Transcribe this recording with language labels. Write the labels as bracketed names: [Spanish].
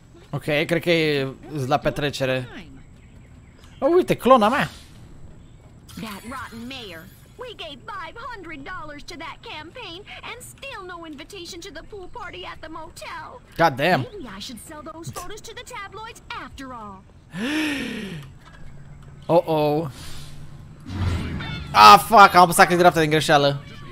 [Romanian] Ok, cred că e la petrecere. Oh, uite, clona mea. [English] That rotten mayor. We gave $500 to that campaign and still no invitation to the pool party at the motel. God damn. Maybe I should sell those photos to the tabloids after all. Oh-oh. [Romanian] Ah, fuck, am apăsat click dreapta din greșeală.